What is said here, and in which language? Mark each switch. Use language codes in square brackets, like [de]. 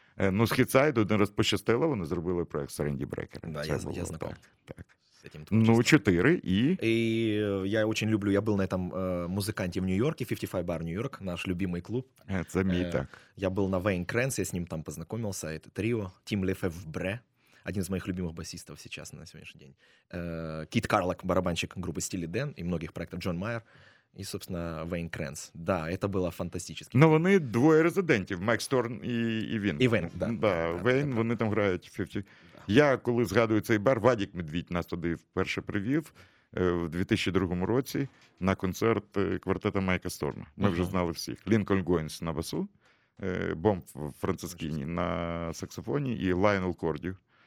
[uk] Ну, з Хідсайд один раз пощастило, вони зробили проект з Ренді Брекером. [ru] Да, я знаком. [uk] Так. Ну, 4 і... І я дуже люблю, я був на цьому музиканті в Нью-Йорку, 55 Bar New York, наш любимий клуб. Це мій, так. Я був на Вейн Кренс, я з ним там познайомився, це тріо, Тім Лефевбре. [ru] Один из моих любимых басистов сейчас на сегодняшний день. Кит Карлок, барабанщик группы Стили Дэн и многих проектов Джон Майер. И, собственно, Вейн Кренс. Да, это было фантастически. Но они двое резидентов, Майк Сторн и Вин. И Вейн, да. Да, Вейн, они там играют. [uk] Я, коли згадую цей бар, Вадик Медведь нас туди вперше привів в 2002 році на концерт квартета Майка Сторна. Ми вже знали всіх. Лінкольн Гойнс на басу, Бомб Францискіні на саксофоні і Лайонел Кордю.